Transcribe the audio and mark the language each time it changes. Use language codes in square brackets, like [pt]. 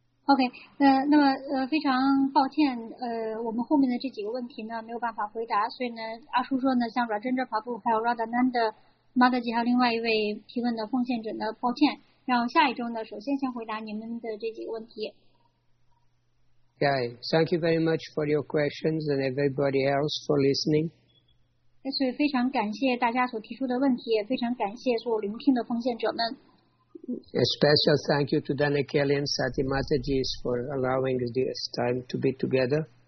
[zh] OK, 那么非常抱歉我们后面的这几个问题呢没有办法回答，所以呢阿叔说呢像 Rajendra Prabhu 还有 Radhananda Mataji 还有另外一位提问的奉献者呢抱歉，然后下一周呢首先先回答你们的这几个问题。 [en] Yeah, thank you very much for your questions and everybody else for listening. [zh] 所以非常感谢大家所提出的问题，也非常感谢所聆听的奉献者们。 [en] A special thank you to Dana Kelly and Sati Mataji for allowing this time to be together.